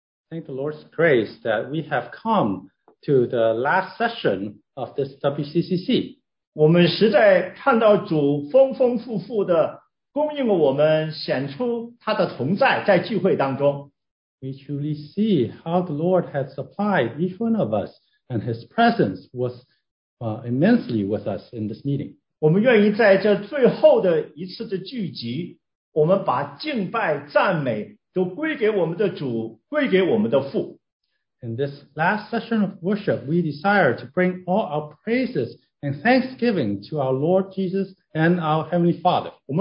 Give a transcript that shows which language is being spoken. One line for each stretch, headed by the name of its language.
English: Thank the Lord's grace that we have come to the last session of this WCCC.
Chinese: 我们实在看到主丰丰富富的供应了我们，显出他的同在在聚会当中。
English: We truly see how the Lord has supplied each one of us, and his presence was immensely with us in this meeting.
Chinese: 我们愿意在这最后的一次的聚集，我们把敬拜赞美都归给我们的主，归给我们的父。
English: In this last session of worship, we desire to bring all our praises and thanksgiving to our Lord Jesus and our Heavenly Father.